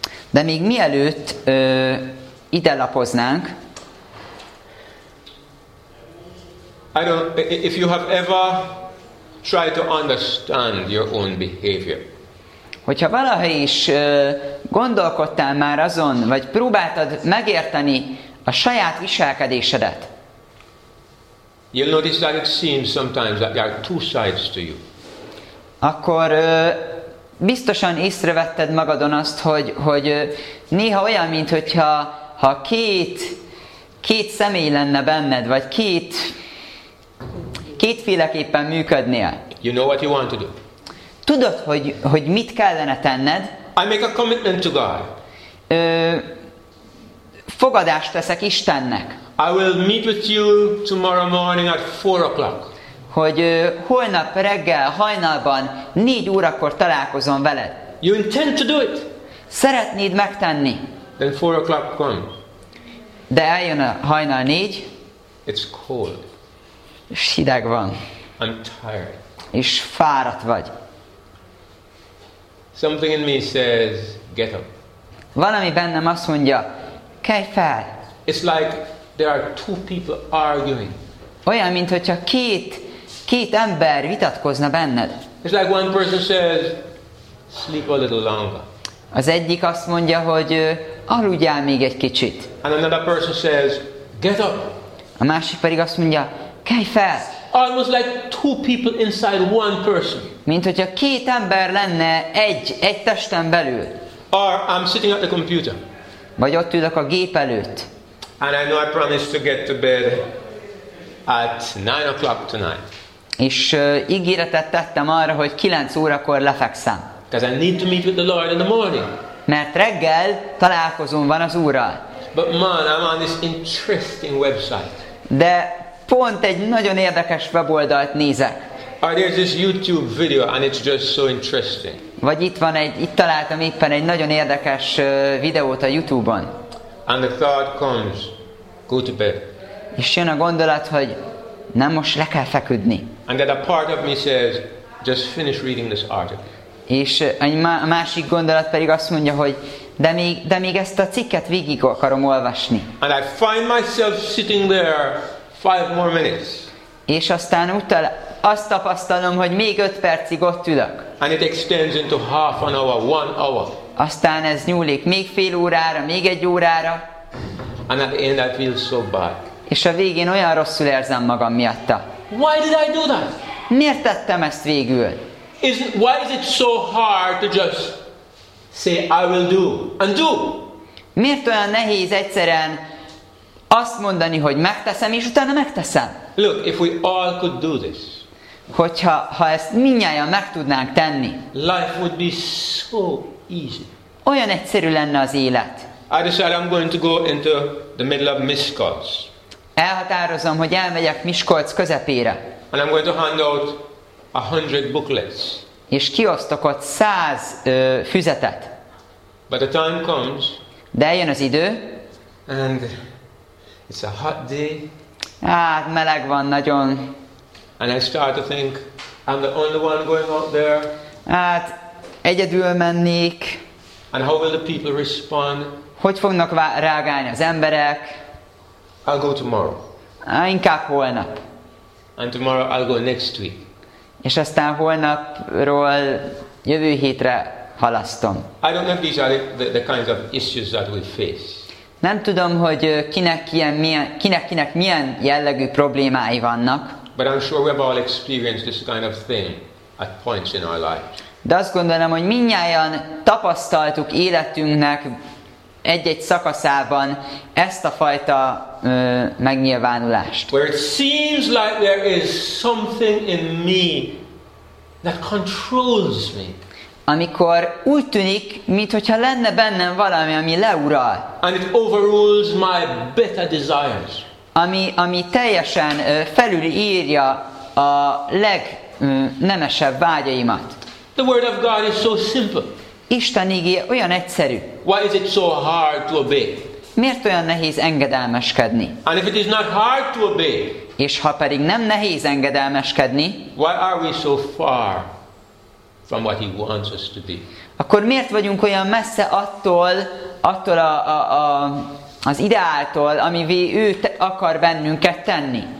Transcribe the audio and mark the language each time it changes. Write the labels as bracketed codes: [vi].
[hu] De még mielőtt ide lapoznánk. [en] I don't, if you have ever tried to understand your own behavior. [hu] Hogyha valaha is gondolkodtál már azon, vagy próbáltad megérteni a saját viselkedésedet. [en] You'll notice that it seems sometimes that there are two sides to you. [hu] Akkor biztosan észrevetted magadon azt, hogy néha olyan, mint hogyha ha két személy lenne benned, vagy kétféleképpen működnél. [en] You know what you want to do. [hu] Tudod, hogy mit kellene tenned? [en] I make a commitment to God. [hu] Fogadást teszek Istennek. [en] I will meet with you tomorrow morning at 4 o'clock. [hu] Hogy holnap reggel hajnalban 4 órakor találkozom veled. [en] You intend to do it. [hu] Szeretnéd megtenni. [en] Then 4 o'clock come. [hu] De eljön a hajnal 4. [en] It's cold. [hu] És hideg van. [en] I'm tired. [hu] És fáradt vagy. [en] Something in me says, get up. [hu] Valami bennem azt mondja, kelj fel. [en] It's like there are two people arguing. [hu] Olyan, mint hogyha két ember vitatkozna benned. [en] It's like one person says, sleep a little longer. [hu] Az egyik azt mondja, hogy aludjál még egy kicsit. [en] And another person says, get up. [hu] A másik pedig azt mondja, kelj fel. [en] Almost like two people inside one person. [hu] Mint hogyha két ember lenne egy testen belül. [en] Or I'm sitting at the computer. [hu] Vagy ott ülök a gép előtt. [en] And I know I promised to get to bed at 9 o'clock tonight. [hu] És ígéretet tettem arra, hogy 9 órakor lefekszem. [en] Because I need to meet with the Lord in the morning. [hu] Mert reggel találkozom van az Úrral. [en] But man, I'm on this interesting website. [hu] De pont egy nagyon érdekes weboldalt nézek. [en] Or there's this YouTube video and it's just so interesting. [hu] Vagy itt találtam éppen egy nagyon érdekes videót a YouTube-on. [en] And the thought comes, go to bed. [hu] És jön a gondolat, hogy nem most le kell feküdni. [en] And then a part of me says, just finish reading this article. [hu] És a másik gondolat pedig azt mondja, hogy de még ezt a cikket végig akarom olvasni. [en] And I find myself sitting there 5 more minutes. [hu] És aztán utána azt tapasztalom, hogy még 5 percig ott ülök. [en] And it extends into half an hour, 1 hour. [hu] Aztán ez nyúlik még fél órára, még egy órára. [en] And at the end I feel so bad. [hu] És a végén olyan rosszul érzem magam miatta. [en] Why did I do that? [hu] Miért tettem ezt végül? [en] Why is it so hard to just say I will do and do? [hu] Miért olyan nehéz egyszerűen azt mondani, hogy megteszem, és utána megteszem? [en] Look, if we all could do this. [hu] Hogyha ezt mindnyájan meg tudnánk tenni. [en] Life would be so easy. [hu] Olyan egyszerű lenne az élet. [en] I decided I'm going to go into the middle of Miskolc. [hu] Elhatározom, hogy elmegyek Miskolc közepére. [en] And I'm going to hand out 100 booklets. [hu] És kiosztok ott 100 füzetet. [en] But the time comes. [hu] De eljön az idő. [en] And it's a hot day. [hu] Meleg van nagyon. [en] And I start to think I'm the only one going out there. [hu] Egyedül mennék. [en] And how will the people respond? [hu] Hogy fognak reagálni az emberek? [en] I'll go tomorrow. [hu] Inkább holnap. [en] And tomorrow I'll go next week. [hu] És aztán holnapról jövő hétre halasztom. [en] I don't know if these are the kinds of issues that we face. [hu] Nem tudom, hogy kinek milyen jellegű problémái vannak. [en] But I'm sure we've all experienced this kind of thing at points in our life. [hu] De azt gondolom, hogy mindnyájan tapasztaltuk életünknek egy-egy szakaszában ezt a fajta megnyilvánulást. [en] Where it seems like there is something in me that controls me. [hu] Amikor úgy tűnik, mintha lenne bennem valami, ami leural. [en] And it overrules my better desires. [hu] Ami teljesen felülírja a legnemesebb vágyaimat. [en] The word of God is so simple. [hu] Isten ígéje olyan egyszerű. [en] Why is it so hard to obey? [hu] Miért olyan nehéz engedelmeskedni? [en] And if it is not hard to obey, [hu] és ha pedig nem nehéz engedelmeskedni, [en] why are we so far from what he wants us to be? [hu] Akkor miért vagyunk olyan messze attól az ideáltól, amivé ő akar bennünket tenni?